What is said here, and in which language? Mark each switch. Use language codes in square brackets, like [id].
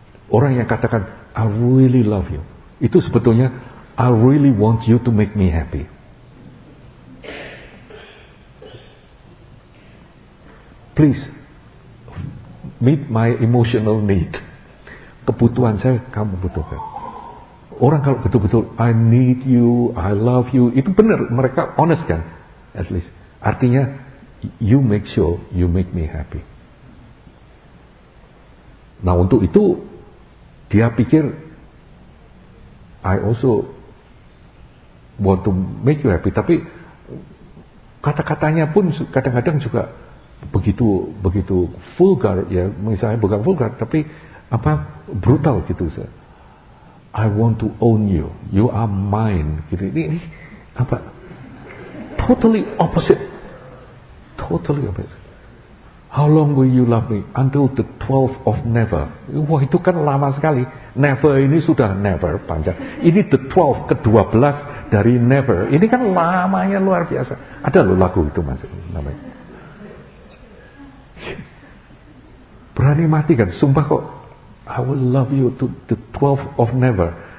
[id] Orang yang katakan [en] I really love you, [id] itu sebetulnya [en] I really want you to make me happy. Please meet my emotional need. [id] Kebutuhan saya kamu butuhkan. Orang kalau betul-betul [en] I need you, I love you, [id] itu benar, mereka honest kan? [en] At least artinya you make sure you make me happy. [id] Nah, untuk itu dia pikir [en] I also want to make you happy, [id] tapi kata-katanya pun kadang-kadang juga begitu begitu vulgar ya, misalnya bukan vulgar tapi apa, brutal gitu. [en] I want to own you, you are mine [id] gitu. Ini apa, [en] totally opposite. How long will you love me? Until the 12th of never. [id] Wah, itu kan lama sekali. Never ini sudah never panjang. Ini [en] the 12th, [id] ke-12 dari never. Ini kan lamanya luar biasa. Ada loh lagu itu masih namanya. Berani mati kan? Sumpah kok. [en] I will love you to the 12th of never.